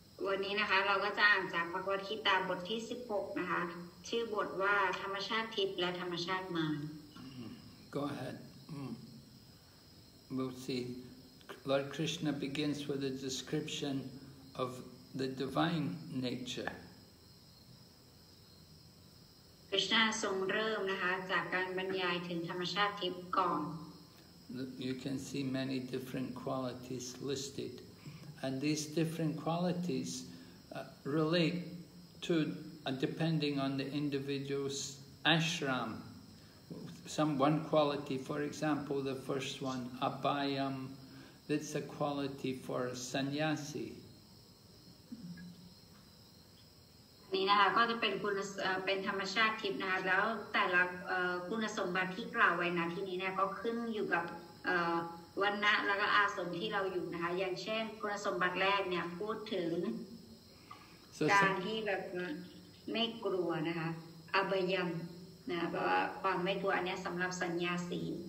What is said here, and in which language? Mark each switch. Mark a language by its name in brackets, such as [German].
[Thai] วันนี้นะคะเราก็จะอ่านจากบทกีตาบทที่16นะคะชื่อบทว่าธรรมชาติทิพย์และธรรมชาติมาร [English] Go ahead. We'll see. Lord Krishna begins with a descriptionof the divine nature. [Thai] Krishna ทรงเริ่มนะคะจากการบรรยายถึงธรรมชาติทิพย์ก่อน [English] You can see many different qualities listed. And these different qualities relate to, depending on the individual's ashram. One quality, for example, the first one, abhayam, that's a quality for a sannyasi. [Thai] นี่นะคะก็จะเป็นคุณเป็นธรรมชาติทิพย์นะคะแล้วแต่ละคุณสมบัติที่กล่าวไว้นะที่นี้เนี่ยก็ขึ้นอยู่กับวรรณะแล้วก็อาสมที่เราอยู่นะคะอย่างเช่นคุณสมบัติแรกเนี่ยพูดถึงการที่แบบไม่กลัวนะคะอบายมนะเพราะว่าความไม่กลัวอันนี้สำหรับสัญญาสี